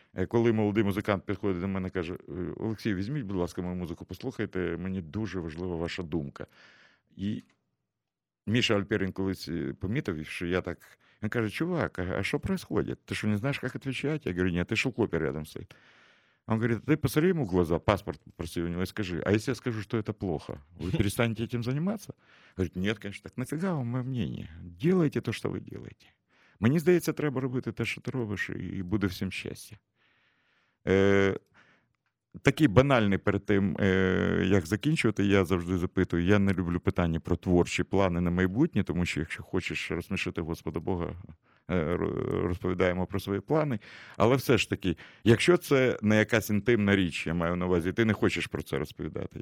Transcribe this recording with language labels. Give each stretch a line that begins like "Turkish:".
Ukrainian: Коли молодий музикант підходить до мене і каже: Олексій, візьміть, будь ласка, мою музику, послухайте, мені дуже важлива ваша думка. І Міша Альпірін колись помітив, що я так... Він каже: чувак, а що происходит? Ти що, не знаєш, як відповідати? Я говорю: ні, ти Шелклопер рядом стоїть.
Russian: Он говорит: ты посмотри ему в глаза, паспорт попроси у него и скажи, а если я скажу, что это плохо, вы перестанете этим заниматься? Говорит: нет, конечно, так нафига вам мое мнение? Делайте то, что вы делаете. Мне кажется,
Ukrainian: треба робити те,
Russian: что ты робиш, и буде всем счастье.
Ukrainian: Такий банальний перед тим, як закінчувати, я завжди запитую, я не люблю питання про творчі плани на майбутнє, тому що якщо хочеш розсмішити Господа Бога, розповідаємо про свої плани. Але все ж таки, якщо це не якась інтимна річ, я маю на увазі, ти не хочеш про це розповідати.